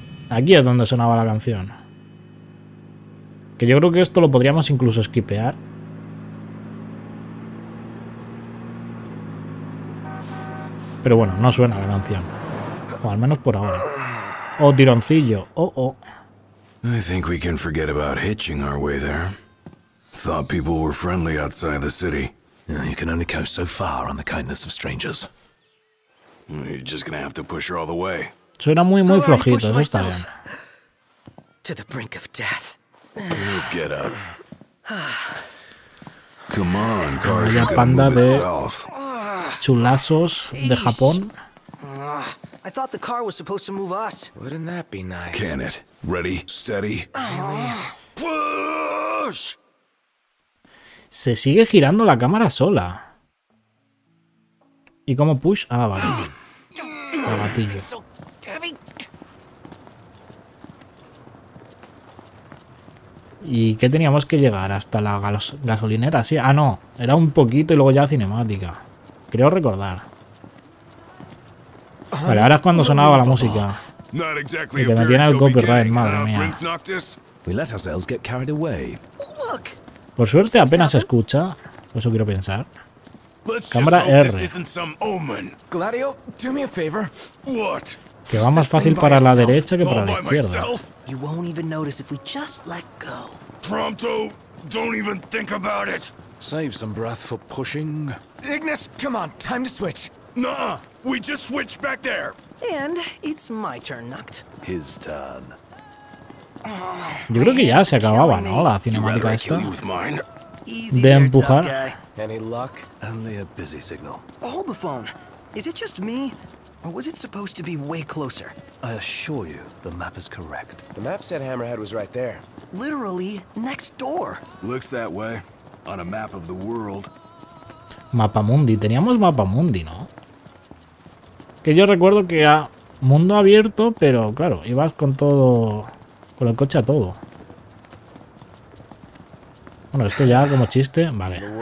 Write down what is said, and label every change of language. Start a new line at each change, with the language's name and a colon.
Spanish: Aquí es donde sonaba la canción. Que yo creo que esto lo podríamos incluso skipear. Pero bueno, no suena la canción. O al menos por ahora. Oh, tironcillo. Oh, oh.
English: I think we can forget about hitching our way there. Thought people were friendly outside the city. Yeah, you can only count so far on the kindness of strangers. You're just gonna have to push her all the way.
Spanish: Suena muy, muy flojito, eso está bien.
English: To the brink of death. You get up. Come on,
Spanish: Carson. Una panda de chulazos de Japón.
English: I thought the car was supposed to move us. Wouldn't that be nice? Can it? Ready, steady. Push!
Spanish: Se sigue girando la cámara sola. ¿Y cómo push? Ah, vale. El gatillo. ¿Y qué teníamos que llegar? ¿Hasta la gasolinera? Sí. Ah, no. Era un poquito y luego ya cinemática. Creo recordar. Vale, ahora es cuando sonaba la música. Y que me tiene el copyright, madre mía.
English: We let ourselves get carried away.
Spanish: Por suerte apenas se escucha, eso quiero pensar. Cámara R.
English: Gladio, do me a favor. What?
Spanish: Que va más fácil para la derecha que para la izquierda.
English: You won't even notice if we just let go. Pronto, don't even think about it. Save some breath for pushing. Ignis, come on, time to switch. Nah, we just switched back there. And it's my turn, Nacht. His turn.
Spanish: Yo creo que ya se acababa, ¿no? La cinemática esta. De empujar.
English: Any luck? Only a busy signal. Hold the phone. Is it just me, or was it supposed to be way closer? I assure you, the map is correct. The map said Hammerhead was right there. Literally next door. Looks that way on a map of the world.
Spanish: Mapa mundi. Teníamos mapa mundi, ¿no? Que yo recuerdo que era mundo abierto, pero claro, ibas con todo. Con el coche a todo. Bueno, esto ya como chiste, vale.